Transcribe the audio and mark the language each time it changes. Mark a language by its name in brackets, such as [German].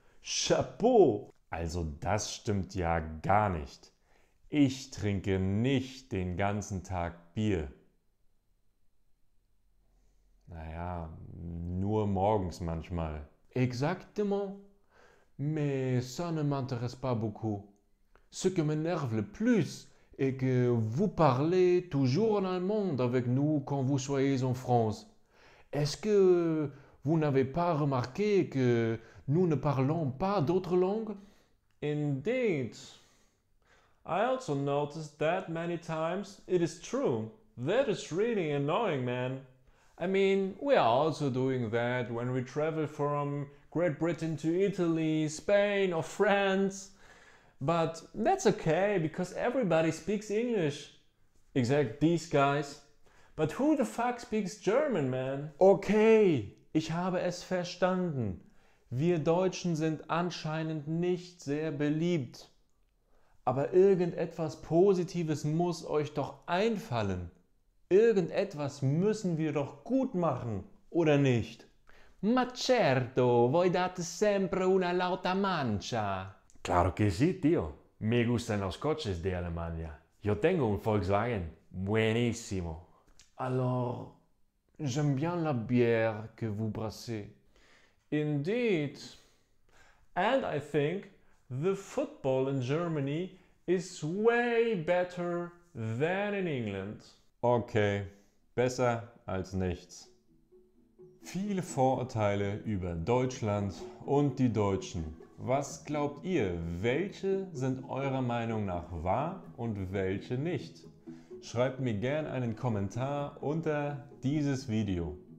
[French] Chapeau! [German] Also das stimmt ja gar nicht. Ich trinke nicht den ganzen Tag Bier. Naja, nur morgens manchmal. [French] Exactement. Mais ça ne m'intéresse pas beaucoup. Ce qui m'énerve le plus Et que vous parlez toujours en allemand avec nous quand vous soyez en France. Est-ce que vous n'avez pas remarqué que nous ne parlons pas d'autres langues? [English] Indeed. I also noticed that many times. It is true. That is really annoying, man. I mean, we are also doing that when we travel from Great Britain to Italy, Spain, or France. But that's okay because everybody speaks English. Except these guys. But who the fuck speaks German, man? [German] Okay, ich habe es verstanden. Wir Deutschen sind anscheinend nicht sehr beliebt. Aber irgendetwas Positives muss euch doch einfallen. Irgendetwas müssen wir doch gut machen, oder nicht? [Italian] Ma certo, voi date sempre una lauta mancia. [Spanish] Claro que sí, tío. Me gustan los coches de Alemania. Yo tengo un Volkswagen. Buenísimo. [French] Alors, j'aime bien la bière que vous brassez. [English] Indeed. And I think the football in Germany is way better than in England. [German] Okay, besser als nichts. Viele Vorurteile über Deutschland und die Deutschen. Was glaubt ihr, welche sind eurer Meinung nach wahr und welche nicht? Schreibt mir gern einen Kommentar unter dieses Video.